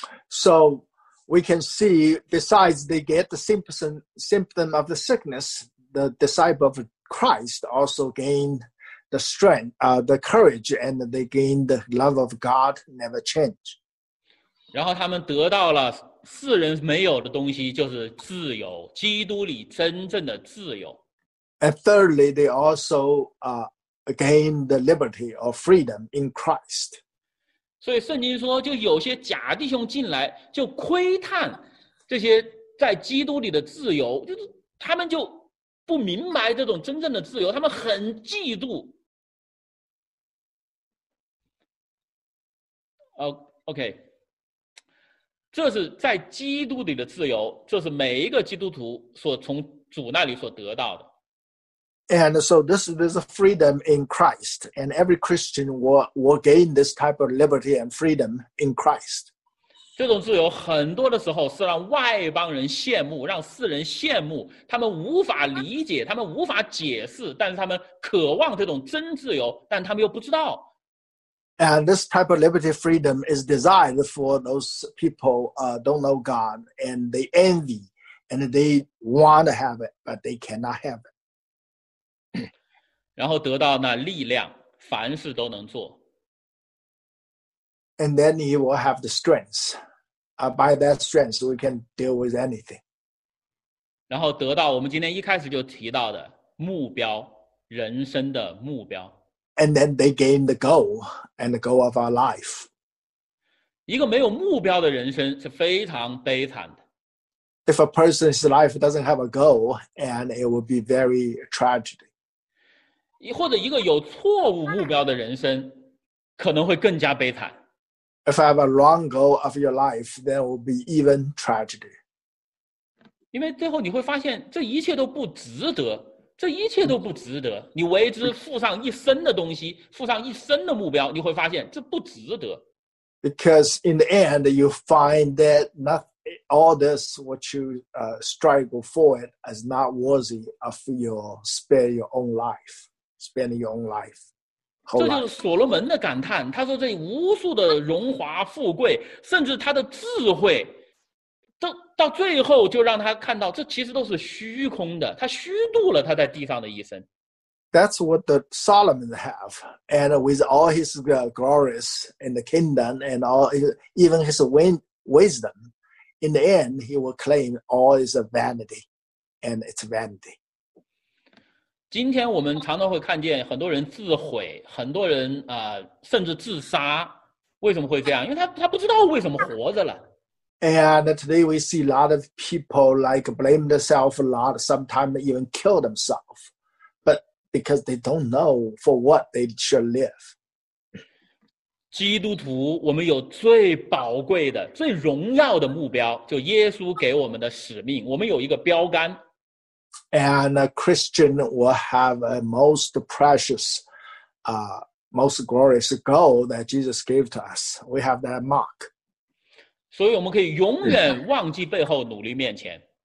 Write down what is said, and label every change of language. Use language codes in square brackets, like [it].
[en] So we can see, besides they get the symptom of the sickness, the disciple of Christ also gained. The strength, the courage, and they gained the love of God never change. [zh] 然后他们得到了世人没有的东西就是自由，基督里真正的自由。 [en] And thirdly, they also gain the liberty or freedom in Christ. [zh] 所以圣经说，就有些假弟兄进来，就窥探这些在基督里的自由，就是他们就不明白这种真正的自由，他们很嫉妒。 OK， 这是在基督里的自由，这是每一个基督徒所从主那里所得到的。 [en] And so this is a freedom in Christ, and every Christian will gain this type of liberty and freedom in Christ. [zh] 这种自由很多的时候是让外邦人羡慕，让世人羡慕，他们无法理解，他们无法解释，但是他们渴望这种真自由，但他们又不知道。 [en] And this type of liberty freedom is designed for those people don't know God, and they envy, and they want to have it, but they cannot have it. [zh] 然后得到那力量，凡事都能做。 [en] And then he will have the strength. By that strength, we can deal with anything. [zh] 然后得到我们今天一开始就提到的目标，人生的目标。 [en] And then they gain the goal and the goal of our life. [zh] 一个没有目标的人生是非常悲惨的。 [en] If a person's life doesn't have a goal, and it will be very tragic. [zh] 或者一个有错误目标的人生可能会更加悲惨。 [en] If I have a wrong goal of your life, then it will be even tragic. [zh] 因为最后你会发现这一切都不值得。这一切都不值得，你为之付上一生的东西，付上一生的目标，你会发现这不值得。 [en] Because in the end, you find that nothing, all this what you struggle for it is not worthy of your spending your own life. [zh] 这就是所罗门的感叹，他说这无数的荣华富贵，甚至他的智慧。到最后就让他看到这其实都是虚空的，他虚度了他在地上的一生。 [en] That's what the Solomon have, and with all his glories in the kingdom and all even his wisdom, in the end he will claim all is a vanity and it's vanity. [zh] 今天我们常常会看见很多人自毁，很多人甚至自杀。为什么会这样？因为他不知道为什么活着了。 [en] And today we see a lot of people like blame themselves a lot, sometimes even kill themselves, but because they don't know for what they should live. [zh] 基督徒，我们有最宝贵的、最荣耀的目标，就耶稣给我们的使命。我们有一个标杆。 [en] And a Christian will have a most precious, most glorious goal that Jesus gave to us. We have that mark. [zh] 所以我们可以永远忘记背后，努力面前。